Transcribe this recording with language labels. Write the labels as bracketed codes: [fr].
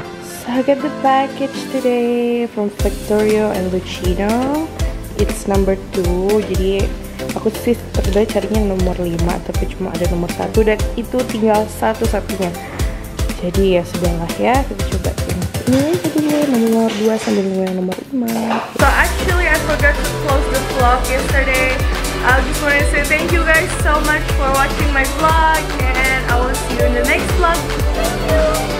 [en] So I got the package today from Victoria and Lucino. It's number 2, [id] jadi aku sih sebenernya carinya nomor 5, tapi cuma ada nomor 1 dan itu tinggal satu-satunya. Jadi ya sudahlah ya, kita coba ini jadi nomor 2 sambil nunggu yang nomor 5. [en] So actually I forgot to close the vlog yesterday. I just wanna say thank you guys so much for watching my vlog, and I will see you in the next vlog. Thank you.